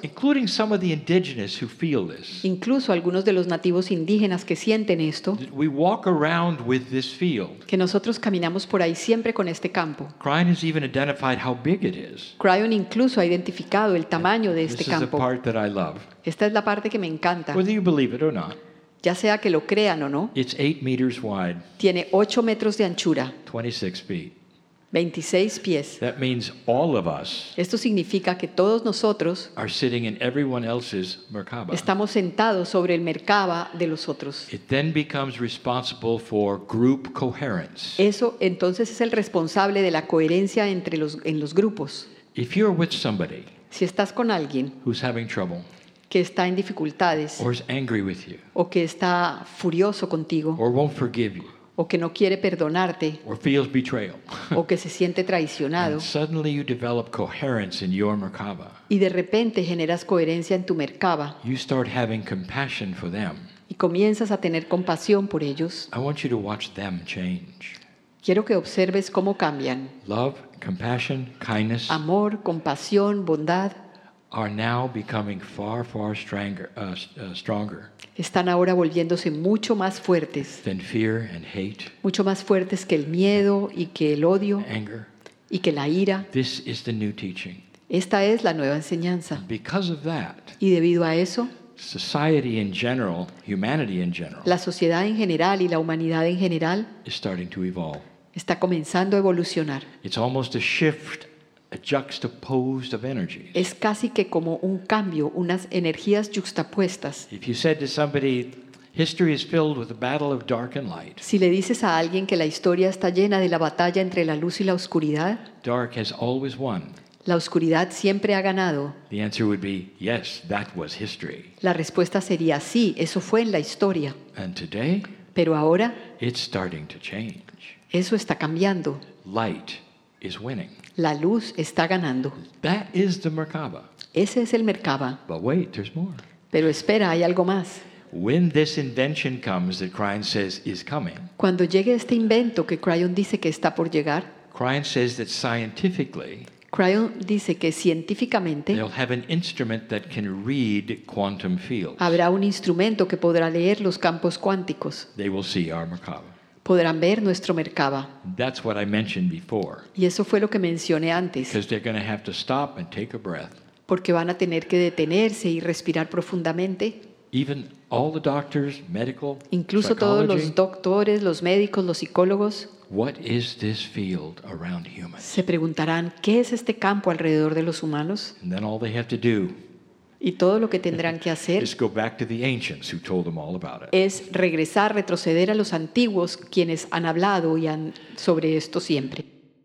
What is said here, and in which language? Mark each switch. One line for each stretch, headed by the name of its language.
English: including some of the indigenous who feel this,
Spanish: incluso algunos de los nativos indígenas que sienten esto,
English: we walk around with this field,
Spanish: que nosotros caminamos por ahí siempre con este campo.
English: Cryon has even identified how big it is.
Spanish: Cryon incluso ha identificado el tamaño de este campo.
English: This is the part that I love.
Spanish: Esta es la parte que me encanta.
English: Whether you believe it or not.
Spanish: Ya sea que lo crean o no,
English: it's 8 meters wide,
Spanish: tiene 8 metros de anchura,
English: 26 feet.
Spanish: 26 pies.
English: That means all of us.
Spanish: Esto significa que todos nosotros
English: are sitting in everyone else's Merkaba.
Spanish: Estamos sentados sobre el Merkaba de los otros.
English: It then becomes responsible for group coherence.
Spanish: Eso entonces es el responsable de la coherencia entre los en los grupos.
English: If you're with somebody,
Spanish: si estás con alguien
English: who's having trouble,
Spanish: que está en dificultades,
English: or is angry with you,
Spanish: o que está furioso contigo,
English: or won't forgive you,
Spanish: o que no quiere perdonarte,
English: or feels betrayal,
Spanish: o que se siente traicionado,
English: and suddenly you develop coherence in your Merkaba,
Spanish: y de repente generas coherencia en tu Merkaba,
English: you start having compassion for them,
Spanish: y comienzas a tener compasión por ellos.
English: I want you to watch them change.
Spanish: Quiero que observes cómo cambian.
English: Love, compassion, kindness,
Spanish: amor, compasión, bondad,
English: are now becoming far, far stronger.
Spanish: Están ahora volviéndose mucho más fuertes.
English: Than fear and hate.
Spanish: Mucho más fuertes que el miedo y que el odio.
English: Anger.
Spanish: Y que la ira.
English: This is the new teaching.
Spanish: Esta es la nueva enseñanza.
English: And because of that.
Spanish: Y debido a eso.
English: Society in general, humanity in general.
Spanish: La sociedad en general y la humanidad en general.
English: Is starting to evolve.
Spanish: Está comenzando a evolucionar.
English: It's almost a shift. A juxtaposed of energies.
Spanish: Es casi que como un cambio, unas energías juxtapuestas.
English: If you said to somebody, history is filled with a battle of dark and light.
Spanish: Si le dices a alguien que la historia está llena de la batalla entre la luz y la oscuridad.
English: Dark has always won.
Spanish: La oscuridad siempre ha ganado.
English: The answer would be, yes, that was history.
Spanish: La respuesta sería sí, eso fue en la historia.
English: And today,
Spanish: pero ahora,
English: it's starting to change.
Spanish: Eso está cambiando.
English: Light is winning.
Spanish: La luz está ganando.
English: That is the Merkaba.
Spanish: Ese es el Merkaba.
English: But wait, there's more.
Spanish: Pero espera, hay algo más.
English: When this invention comes that Cryon says is coming.
Spanish: Cuando llegue este invento que Cryon dice que está por llegar.
English: Cryon says that scientifically.
Spanish: Crayon dice que científicamente
English: they'll have an instrument that can read quantum fields.
Spanish: Habrá un instrumento que podrá leer los campos cuánticos.
English: They will see our Merkaba.
Spanish: Podrán ver nuestro Merkaba.
English: That's what I mentioned before.
Spanish: Y eso fue lo que mencioné antes.
English: Because they're going to have to stop and take a breath.
Spanish: Porque van a tener que detenerse y respirar profundamente.
English: Even all the doctors, medical,
Spanish: incluso todos los doctores, los médicos, los psicólogos,
English: what is this field around humans?
Spanish: Se preguntarán, ¿qué es este campo alrededor de los humanos?
English: And then all they have to do,
Spanish: y todo lo que tendrán que hacer,
English: is go back to the ancients who told them all about it.
Spanish: Es regresar, retroceder a los antiguos quienes han hablado y han sobre esto siempre.